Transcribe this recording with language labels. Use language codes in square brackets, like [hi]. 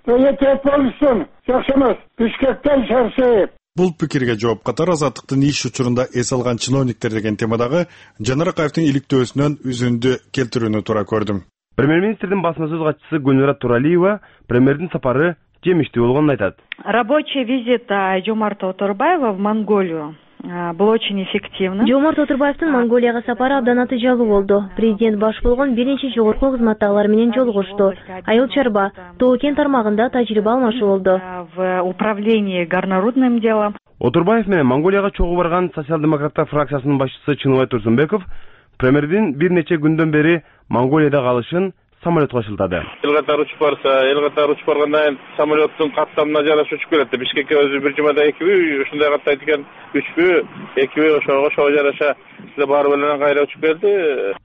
[ky] Тээп болушсун. Жакшы эмес. Бишкектен Шаршеев. Бул пикирге жооп катары Азаттыктын иш учурунда эс алган чиновниктер деген темадагы Жанаракаевдин иликтөөсүнөн үзүндү келтирүүнү туура көрдүм. Премьер-министрдин басма сөз катчысы Гүлнара Туралиева премьердин сапары жемиштүү болгонун айтат. [ru] Рабочий визит Жомарта Оторбаева в Монголию. Был очень эффективно. [ky] Жомарт Оторбаевдин Монголияга сапары абдан натыйжалуу болду. Президент баш болгон биринчи жогорку кызматтагылар менен жолугушту. Айыл чарба, Тоокен тармагында тажрыйба алмашуу болду. [ru] В управлении горнорудным делом. [ky] Оторбаев менен Монголияга чогуу барган социал-демократтар фракциясынын башчысы Чыныбай Турсунбеков премьердин бир нече күндөн бери Монголияда калышын самолетко шылтады. Эл катары учуп барса, эл катары учуп баргандан кийин самолеттун каттамына жараша учуп келет да. Бишкекке өзү бир жумада 2-3 ушундай каттайт экен, 3-4 2-3 ошого жараша силе барып эле кайра учуп келди.